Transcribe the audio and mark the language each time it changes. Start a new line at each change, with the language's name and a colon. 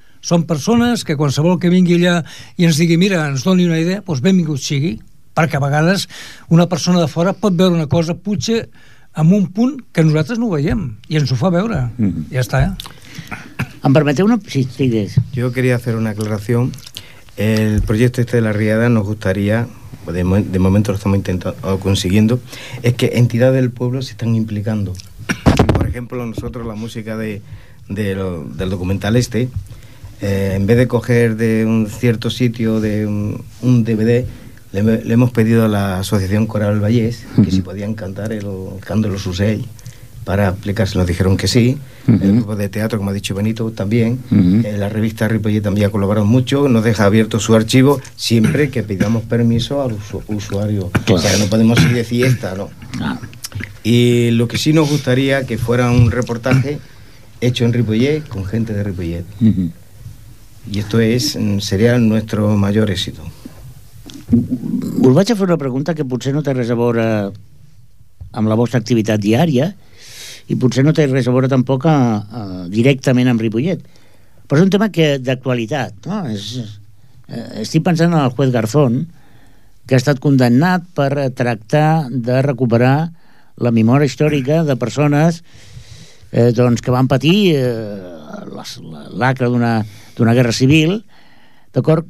Catalan: Som persones que qualsevol que vingui allà i ens digui, mira, ens doni una idea, doncs benvingut sigui, perquè a vegades una persona de fora pot veure una cosa potser en un punt que nosaltres no veiem, i ens ho fa veure. Ja està, eh? Em permeteu una... Sí, digues. Jo volia fer una aclaració.
Spanish: El proyecto este de la Riada nos gustaría, de momento lo estamos intentando o consiguiendo, es que entidades del pueblo se están implicando. Por ejemplo, nosotros la música del documental este, en vez de coger de un cierto sitio de un DVD, le hemos pedido a la Asociación Coral Vallés que si podían cantar el Cándolo Susell. Para aplicarse, nos dijeron que sí. El grupo de teatro, como ha dicho Benito, también. La revista Ripollet también ha colaborado mucho. Nos deja abierto su archivo siempre que pidamos permiso al usuario. Claro. O sea, no podemos ir de fiesta, ¿no? Y lo que sí nos gustaría que fuera un reportaje hecho en Ripollet con gente de Ripollet. Y esto sería nuestro mayor éxito.
Catalan: Us vaig a fer una pregunta que potser no té res a veure amb la vostra activitat diària, i potser no té res a veure tampoc directament amb Ripollet. Però és un tema que d'actualitat, no? Estic pensant en el juez Garzón, que ha estat condemnat per tractar de recuperar la memòria històrica de persones doncs, que van patir la lacra d'una guerra civil. D'acord?